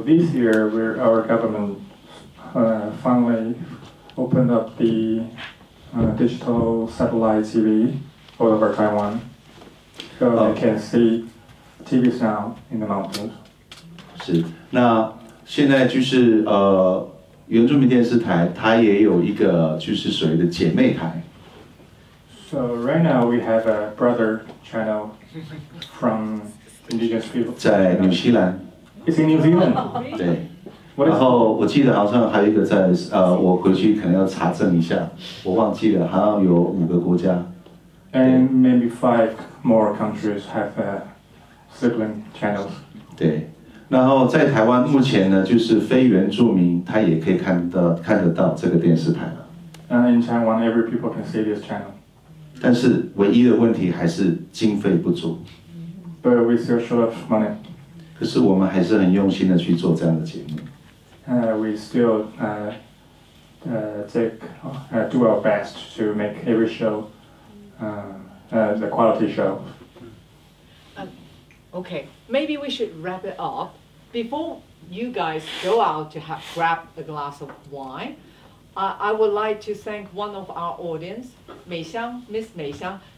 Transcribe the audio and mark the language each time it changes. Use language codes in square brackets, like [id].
[en] this year where our government finally opened up the digital satellite TV all over Taiwan, so they can see TVs now in the mountains. [zh] 是，那现在就是原住民电视台，它也有一个就是所谓的姐妹台。So [en] right now we have a brother channel from indigenous people. [zh] 在纽西兰。It's [en] in New Zealand. [zh] 对。然后我记得好像还有一个在，我回去可能要查证一下，我忘记了，好像有五个国家。And [en] maybe five more countries have sibling channels. [zh] 对。然后在台湾目前呢，就是非原住民，他也可以看得到这个电视台了。 [en] In Taiwan, every people can see this channel. [zh] 但是唯一的问题还是经费不足。 [en] But we still short of money. [zh] 可是我们还是很用心的去做这样的节目。 [en] We still do our best to make every show the quality show. Okay, maybe we should wrap it up. Before you guys go out to grab a glass of wine, I would like to thank one of our audience, Meixiang, Miss Meixiang.